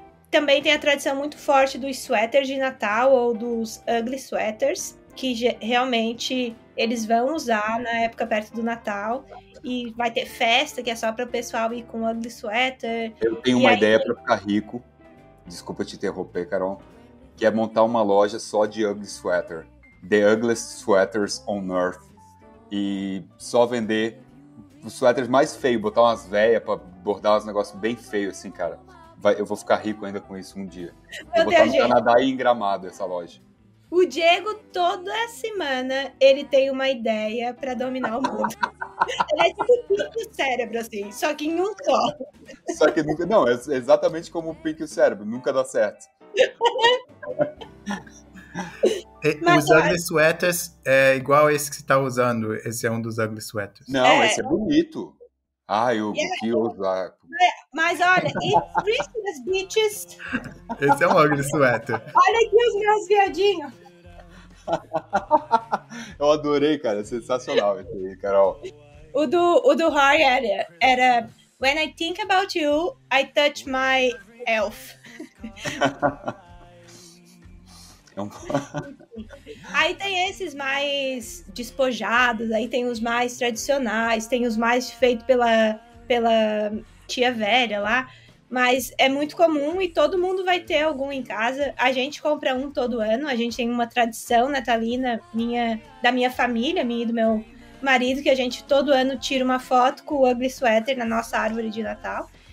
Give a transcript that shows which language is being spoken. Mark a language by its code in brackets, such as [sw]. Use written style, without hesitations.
[pt] Também tem a tradição muito forte dos sweaters de Natal ou dos ugly sweaters, que realmente eles vão usar na época perto do Natal. E vai ter festa, que é só pra o pessoal ir com ugly sweater. Eu tenho uma ideia pra ficar rico. Desculpa te interromper, Carol. Que é montar uma loja só de ugly sweater. [en] The ugliest sweaters on earth. [pt] E só vender... Os suéteres mais feios, botar umas véias pra bordar uns negócios bem feios, assim, cara. Vai, eu vou ficar rico ainda com isso um dia. Meu vou Deus botar no Canadá e em Gramado essa loja. O Diego, toda semana, ele tem uma ideia pra dominar o mundo. Ele é tipo pinto cérebro, assim, só que em um só. Só que nunca. Não, é exatamente como o pinto e o cérebro, nunca dá certo. Os ugly sweaters é igual esse que você tá usando. Esse é um dos ugly sweaters. Não, esse é bonito. Ai, o que usar. Mas olha, [en] it's Christmas, bitches. [pt] Esse é um ugly sweater. Olha aqui os meus viadinhos. Eu adorei, cara. Sensacional esse aí, Carol. O do Harry era [en] When I think about you, I touch my elf. [pt] Aí tem esses mais despojados, aí tem os mais tradicionais, tem os mais feitos pela tia velha lá, mas é muito comum e todo mundo vai ter algum em casa. A gente compra um todo ano, a gente tem uma tradição natalina da minha família, minha e do meu marido, que a gente todo ano tira uma foto com o ugly sweater na nossa árvore de Natal.